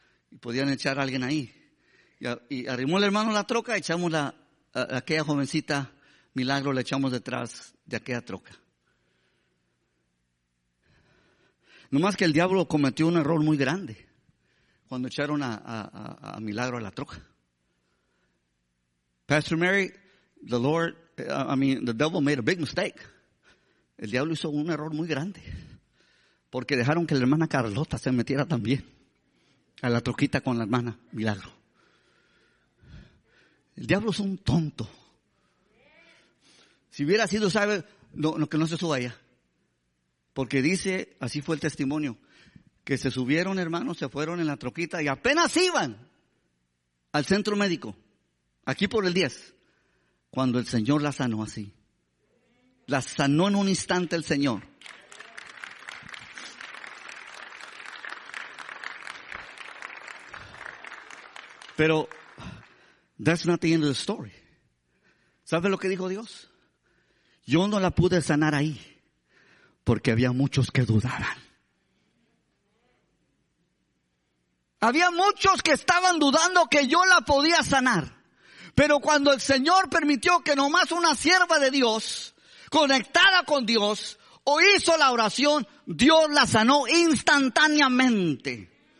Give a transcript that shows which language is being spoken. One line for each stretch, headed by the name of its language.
Spanish: Y podían echar a alguien ahí. Y arrimó el hermano la troca, echamos a aquella jovencita Milagro, la echamos detrás de aquella troca. Nomás que el diablo cometió un error muy grande cuando echaron a Milagro a la troca.
English: Pastor Mary, the devil made a big mistake.
Spanish: El diablo hizo un error muy grande. Porque dejaron que la hermana Carlota se metiera también a la troquita con la hermana Milagro. El diablo es un tonto. Si hubiera sido, sabe, no, que no se suba allá. Porque dice, así fue el testimonio, que se subieron, hermanos, se fueron en la troquita y apenas iban al centro médico. Aquí por el 10, cuando el Señor la sanó así. La sanó en un instante el Señor.
English: Pero that's not the end of the story.
Spanish: ¿Sabe lo que dijo Dios? Yo no la pude sanar ahí porque había muchos que dudaban. Había muchos que estaban dudando que yo la podía sanar. Pero cuando el Señor permitió que nomás una sierva de Dios, conectada con Dios, o hizo la oración, Dios la sanó instantáneamente.